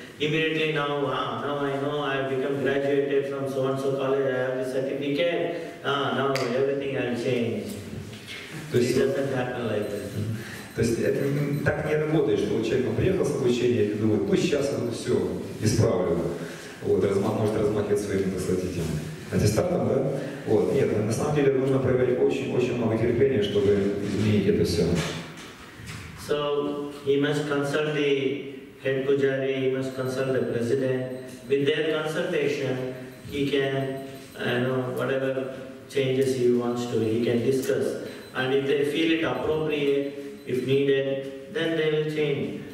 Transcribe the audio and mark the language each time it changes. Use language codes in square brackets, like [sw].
[en] Immediately now, now I know I have become graduated from so and so college, I have the certificate, now everything has changed. [ru] То есть, [en] it doesn't happen like that. [ru] То есть это так не работает, что человек приехал с обучения и думает, пусть сейчас он все исправлю. Вот, может размахивать своими, так сказать, этим аттестатом, да? Вот. Нет, на самом деле нужно проявлять очень-очень много терпения, чтобы изменить это все. [en] So he must consult the head pujari, he must consult the president. With their consultation, he can, whatever changes he wants to, he can discuss. And if they feel it appropriate, if needed, then they will change.